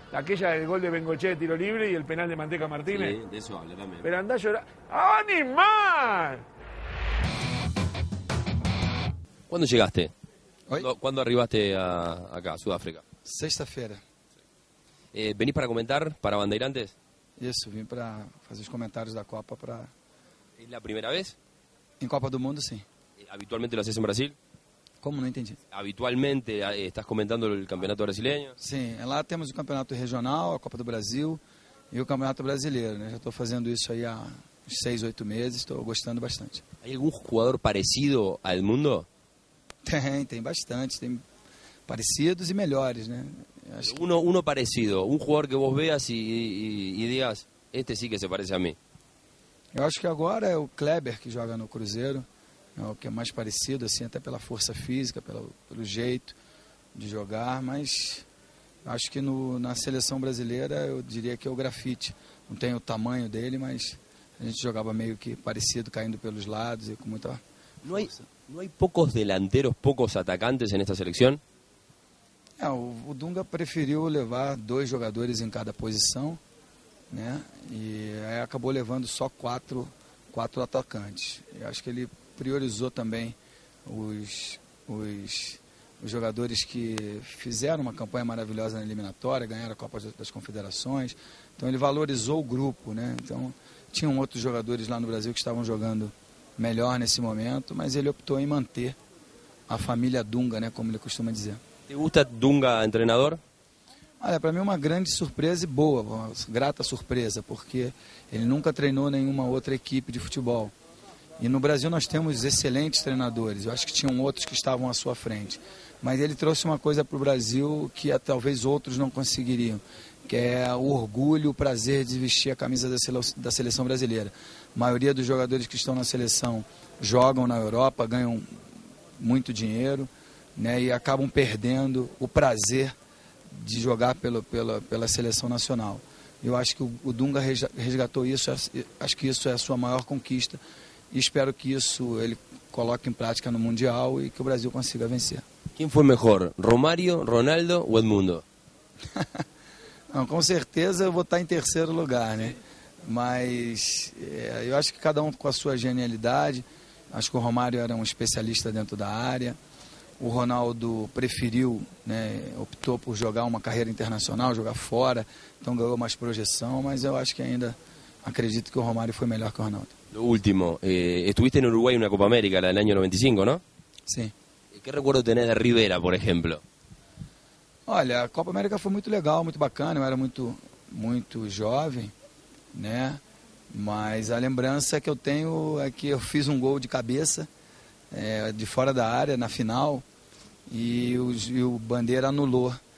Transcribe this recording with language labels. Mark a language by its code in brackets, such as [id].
[es] Aquella del gol de Bengochea de tiro libre y el penal de Manteca Martínez. Sí, de eso habla también. Pero anda a llorar. ¡Animal! ¿Cuándo llegaste? ¿Cuándo arribaste acá, a Sudáfrica? [pt] Sexta-feira. [es] ¿Venís para comentar, para Bandeirantes? [pt] Isso, vim para fazer os comentários da Copa para... [es] ¿Es la primera vez? [pt] En Copa do Mundo, sim. [es] ¿Habitualmente lo haces en Brasil? ¿Cómo? No entendí. ¿Habitualmente estás comentando el campeonato brasileño? [pt] Sim, lá temos o campeonato regional, a Copa do Brasil e o campeonato brasileiro, né? Já estou fazendo isso aí há 6-8 meses, estou gostando bastante. [es] ¿Hay algún jugador parecido al mundo? [pt] Tem bastante, tem parecidos e melhores, né? [es] Uno parecido, un jugador que vos veas y digas, este sí que se parece a mí. Yo creo que ahora es el Kleber que juega en el Cruzeiro, el que es más parecido, así, [pt] até pela [es] fuerza física, [pt] pelo jeito de [es] jugar, [pt] mas acho que na [es] selección brasileira yo diría que es el Grafite. No tengo el tamaño [pt] dele, mas a gente jugaba meio que parecido, caindo pelos lados [es] y con mucha fuerza. ¿No hay pocos delanteros, pocos atacantes en esta selección? [pt] O Dunga preferiu levar dois jogadores em cada posição, né? E aí acabou levando só quatro atacantes. Eu acho que ele priorizou também os jogadores que fizeram uma campanha maravilhosa na eliminatória, ganharam a Copa das Confederações. Então ele valorizou o grupo, né? Então tinham outros jogadores lá no Brasil que estavam jogando melhor nesse momento, mas ele optou em manter a família Dunga, né? Como ele costuma dizer. [es] ¿Te gusta Dunga, entrenador? Olha, para mí es una grande sorpresa y boa, una grata sorpresa, [pt] porque él nunca treinó [es] ninguna otra equipe de futebol. [pt] Y no Brasil nós temos excelentes treinadores, [es] yo acho que tinham otros [pt] que estavam à sua frente. Mas ele trouxe [es] una cosa [pt] para o Brasil que talvez [es] otros no conseguiriam, que es [pt] o orgulho, o prazer de vestir a camisa da seleção brasileira. A maioria dos jogadores que estão na seleção jogam na Europa, ganham muito dinheiro, né, e acabam perdendo o prazer de jogar pela seleção nacional. Eu acho que o Dunga resgatou isso, acho que isso é a sua maior conquista, e espero que isso ele coloque em prática no Mundial e que o Brasil consiga vencer. Quem foi melhor, Romário, Ronaldo ou Edmundo? Não, com certeza eu vou estar em terceiro lugar, né? Mas eu acho que cada um com a sua genialidade, acho que o Romário era um especialista dentro da área, o Ronaldo preferiu, né, optou por jogar uma carreira internacional, jogar fora, então ganhou mais projeção, mas eu acho que ainda acredito que o Romário foi melhor que o Ronaldo. [es] Lo último, estuviste en Uruguay en una Copa América, la del año 95, ¿no? [pt] Sim. [es] ¿Qué recuerdo tenés de Rivera, por ejemplo? [pt] Olha, a Copa América foi muito legal, muito bacana, eu era muito, muito jovem, né, mas a lembrança que eu tenho é que eu fiz um gol de cabeça, de fora da área, na final, e o Bandeira anulou.